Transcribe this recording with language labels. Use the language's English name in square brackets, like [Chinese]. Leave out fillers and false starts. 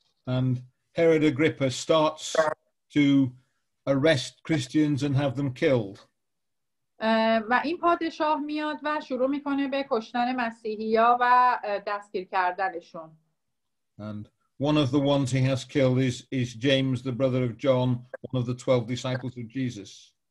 [English] And Herod Agrippa starts to arrest Christians and have them killed. [Persian] و این پادشاه میاد و شروع میکنه به کشتن مسیحی ها و دستگیر کردنشون. [English] And one of the ones he has killed is James, the brother of John, one of the 12 disciples of Jesus.